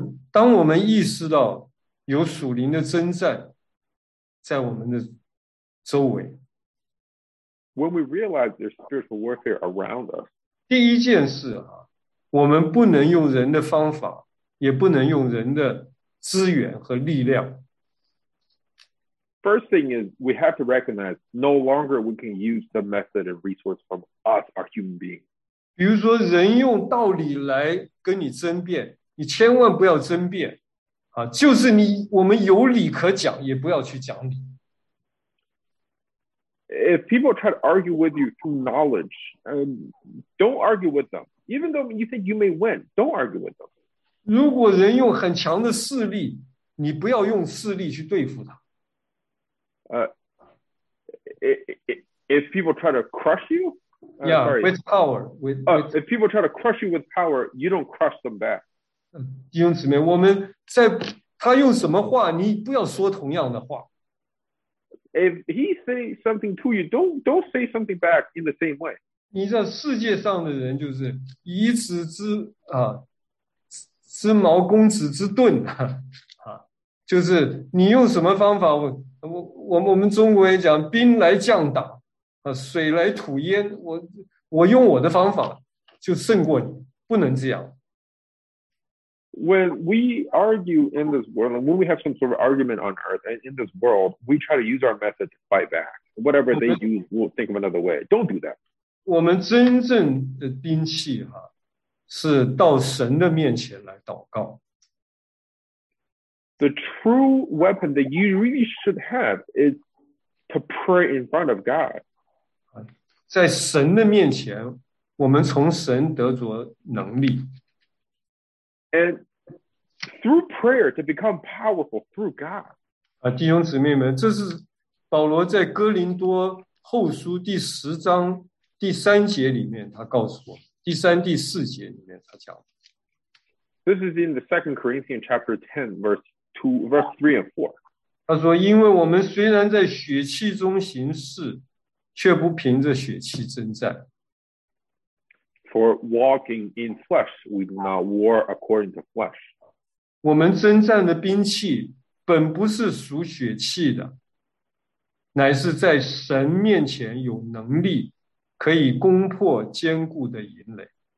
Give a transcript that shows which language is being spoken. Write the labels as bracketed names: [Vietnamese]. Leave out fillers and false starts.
[Chinese] 当我们意识到有属灵的征战在我们的周围。 [English] When we realize there's spiritual warfare around us. [Chinese] 第一件事啊，我们不能用人的方法，也不能用人的资源和力量。 [English] First thing is we have to recognize no longer we can use the method and resource from us, our human being. [Chinese] 比如说人用道理来跟你争辩，你千万不要争辩。啊，就是你，我们有理可讲，也不要去讲理。 [English] If people try to argue with you through knowledge, don't argue with them. Even though you think you may win, don't argue with them. [Chinese] 如果人用很强的势力，你不要用势力去对付他。 [English] If people try to crush you, with power, if people try to crush you with power, you don't crush them back. [Chinese] 弟兄姊妹，我们在他用什么话，你不要说同样的话。 [English] If he say something to you, don't say something back in the same way. [Chinese] 你知道世界上的人就是以子之啊，之矛攻子之盾啊，就是你用什么方法，我们中国也讲兵来将挡啊，水来土掩，我用我的方法就胜过你，不能这样。 [English] When we argue in this world, when we have some sort of argument on earth and in this world, we try to use our method to fight back. Whatever they do, we'll think of another way. Don't do that. [Chinese] 我们真正的兵器啊，是到神的面前来祷告。 [English] The true weapon that you really should have is to pray in front of God. [Chinese] 在神的面前，我们从神得着能力。 [English] And through prayer to become powerful through God. [Chinese] 啊，弟兄姊妹们，这是保罗在哥林多后书第十章第三节里面他告诉我，第三、第四节里面他讲。 [English] This is in the Second Corinthians chapter 10, verse 3 and 4. [Chinese] 他说：“因为我们虽然在血气中行事，却不凭着血气征战。” [English] For walking in flesh, we do not war according to flesh. [Chinese] 我们征战的兵器本不是属血气的，乃是在神面前有能力，可以攻破坚固的营垒。